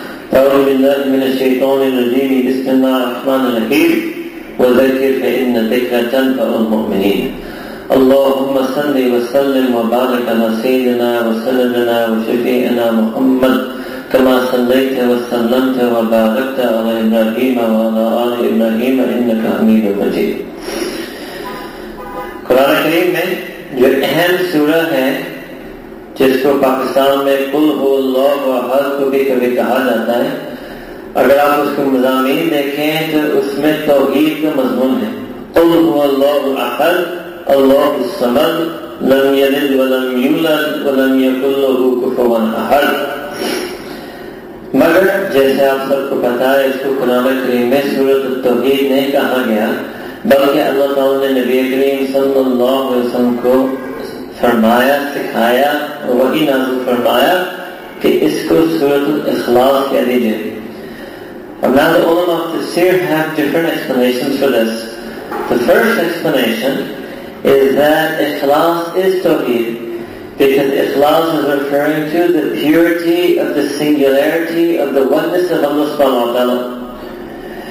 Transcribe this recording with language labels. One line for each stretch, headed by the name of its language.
Arabic: أعوذ بالله من الشيطان الرجيم بسم الله الرحمن الرحيم وذكر فإن الذكر تنفع المؤمنين اللهم صل وسلم وبارك على سيدنا وسلمنا وشفيعنا محمد كما صليت وسلمت وباركت على إبراهيم وعلى آل إبراهيم إنك حميد مجيد.
Urdu: قرآن الكريم میں جو اہم سورة ہے جس کو پاکستان میں قل ہو اللہ و احد کو بھی کبھی کہا جاتا ہے, اگر آپ اس کے مضامین دیکھیں تو اس میں توحید کا مضمون ہے.
Arabic: قل ہو اللہ احد, اللہ الصمد, لم یلد ولم یولد ولم یکن له کفوا احد.
Urdu: مگر جیسے آپ سب کو پتا ہے اس کو قرآن کریم میں سورۃ التوحید نہیں کہا گیا, بلکہ اللہ تعالی نے نبی کریم صلی اللہ علیہ وسلم کو فرمایا, سکھایا, وہی نازل فرمایا کہ اس کو سورۃ الاخلاص کہہ دیجیے. اور
English: now the ulama of tafsir have different explanations for this. The first explanation is that ikhlas is tawheed because ikhlas is referring to the purity of the singularity of the oneness of Allah subhanahu wa ta'ala.